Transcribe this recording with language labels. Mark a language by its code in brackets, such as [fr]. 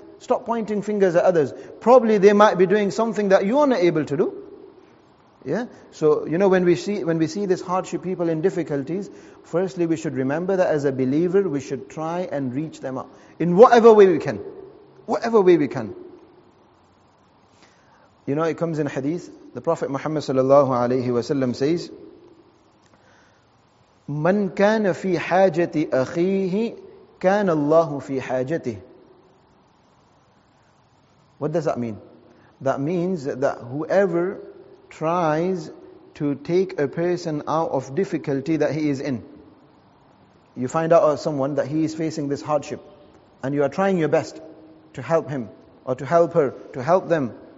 [en] Stop pointing fingers at others. Probably they might be doing something that you are not able to do. Yeah. So, you know, when we see this hardship, people in difficulties, firstly, we should remember that as a believer, we should try and reach them out in whatever way we can. Whatever way we can. You know, it comes in hadith. The Prophet Muhammad sallallahu alayhi wa sallam says, [ar] مَنْ كَانَ فِي حَاجَةِ أَخِيهِ كَانَ اللَّهُ فِي حَاجَتِهِ. [en] What does that mean? That means that whoever tries to take a person out of difficulty that he is in, you find out of someone that he is facing this hardship, and you are trying your best to help him, or to help her, to help them.